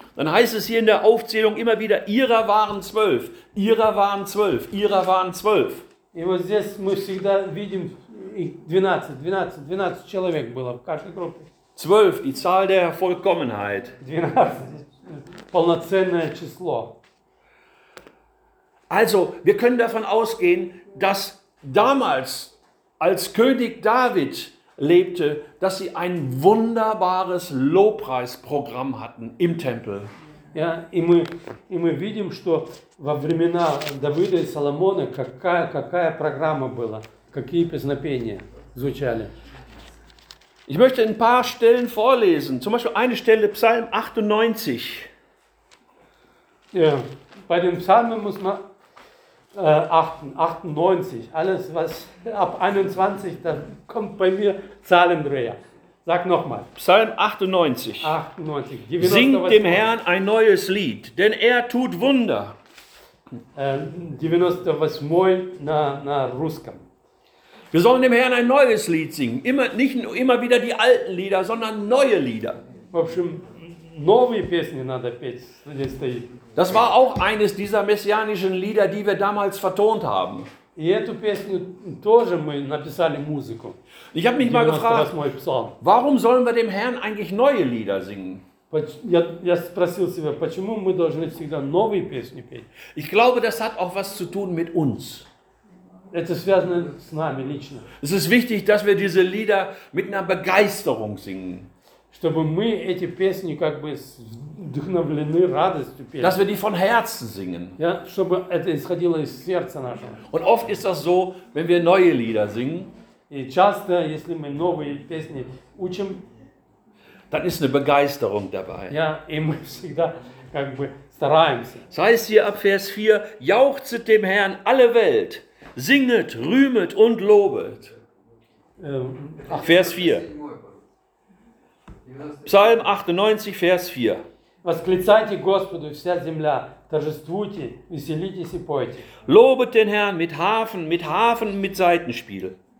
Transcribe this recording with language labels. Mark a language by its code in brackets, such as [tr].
[de] Dann heißt es hier in der Aufzählung immer wieder, ihrer waren zwölf, ihrer waren zwölf, ihrer waren zwölf. [ru] И вот здесь мы всегда видим, 12 человек было в каждой группе. [de] Zwölf, die Zahl der Vollkommenheit. [ru] 12, полноценное число. [de] Also, wir können davon ausgehen, dass damals, als König David lebte, dass sie ein wunderbares Lobpreisprogramm hatten im Tempel. [ru] Ja, и мы видим, что во времена Давида и Соломона какая программа была, какие песнопения звучали. [de] Ich möchte ein paar Stellen vorlesen, zum Beispiel eine Stelle, Psalm 98. Ja, bei den Psalmen muss man 98, alles was ab 21, da kommt bei mir Zahlendreher. Sag nochmal. Psalm 98. 98. Singt dem Herrn ein neues Lied, denn er tut Wunder. [ru] 98 na Russkam. [de] Wir sollen dem Herrn ein neues Lied singen. Nicht nur immer wieder die alten Lieder, sondern neue Lieder. [ru] В общем, новые песни надо петь, здесь стоит. [de] Das war auch eines dieser messianischen Lieder, die wir damals vertont haben. [ru] И эту песню тоже мы написали музыку. [de] Ich habe mich mal gefragt, warum sollen wir dem Herrn eigentlich neue Lieder singen? [ru] Я спросил себя, почему мы должны всегда новые песни петь? [de] Ich glaube, das hat auch was zu tun mit uns. [ru] Это связано с нами лично. [de] Es ist wichtig, dass wir diese Lieder mit einer Begeisterung singen. [ru] Чтобы мы эти песни как бы вдохновлены радостью пели. [de] Dass wir die von Herzen singen. [ru] Ja, чтобы это исходило из сердца нашего. [de] Und oft ist das so, wenn wir neue Lieder singen. [ru] И часто, если мы новые песни учим, [de] dann ist eine Begeisterung dabei. [ru] Ja, и мы всегда как бы стараемся. [de] Das heißt hier ab Vers 4, jauchzet dem Herrn alle Welt, singet, rühmet und lobet. Vers 4. Psalm 98, Vers 4. [ru] Восклицайте Господу, вся земля, торжествуйте, веселитесь и пойте. [de] Lobet den Herrn mit Harfen, mit Harfen, mit Saitenspiel.